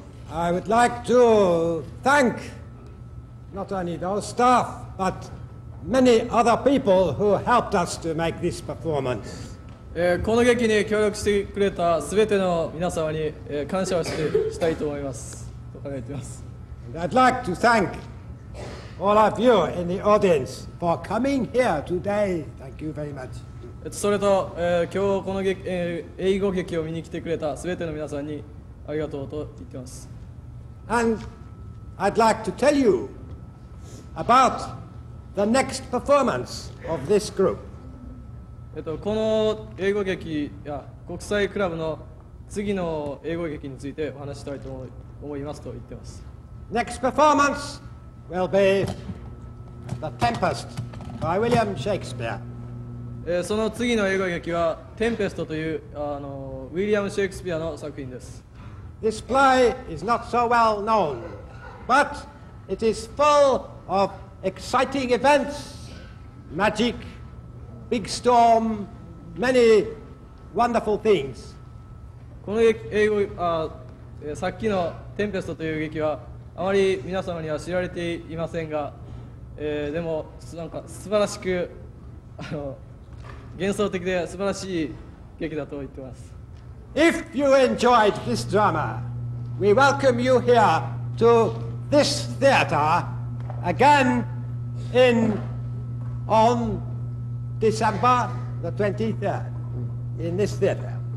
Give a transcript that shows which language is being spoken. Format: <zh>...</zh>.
<en>I would like to thank not only those staff, but many other people who helped us to make this performance.</en> <ja>この劇に協力してくれた全ての皆様に感謝をしてしたいと思います。と考えています。</ja> <en>And I'd like to thank all of you in the audience for coming here today. Thank you very much.</en> <ja>それと、今日この英語劇を見に来てくれた全ての皆さんにありがとうと言ってます。</ja> <en>And I'd like to tell you about the next performance of this group.</en> <ja>この英語劇や国際クラブの次の英語劇についてお話したいと思いますと言ってます。</ja> <en>Next performance will be The Tempest by William Shakespeare.</en> <ja>その次の英語劇は Tempest というウィリアム・シェイクスピアの作品です。</ja> <en>This play is not so well known, but it is full of exciting events, magic, big storm, many wonderful things.</en> <ja>この英語、さっきのテンペストという劇はあまり皆様には知られていませんが、でもなんか素晴らしく、幻想的で素晴らしい劇だと言ってます。</ja> <en>If you enjoyed this drama, we welcome you here to this theater again on December the 23rd in this theater.</en>